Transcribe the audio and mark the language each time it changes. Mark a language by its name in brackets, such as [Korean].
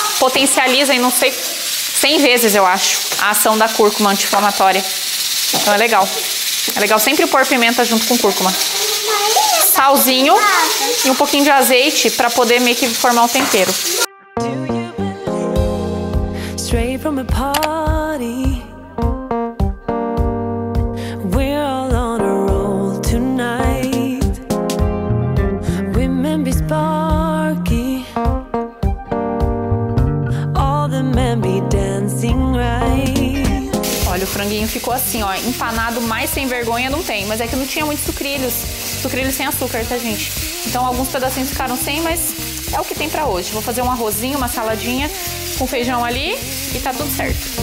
[Portuguese] Potencializa em não sei, 100 vezes eu acho, a ação da cúrcuma anti-inflamatória. Então é legal. É legal sempre pôr pimenta junto com cúrcuma. Salzinho e um pouquinho de azeite para poder meio que formar um tempero. [English] Straight from a party, we're all on a roll tonight. Women be sparky, all the men be dancing right. [Portuguese] Olha, o franguinho ficou assim, ó, empanado, mais sem vergonha não tem. Mas é que não tinha muitos sucrilhos, sucrilhos sem açúcar, tá, gente? Então alguns pedacinhos ficaram sem, mas é o que tem pra hoje. Vou fazer um arrozinho, uma saladinha com feijão ali e tá tudo certo.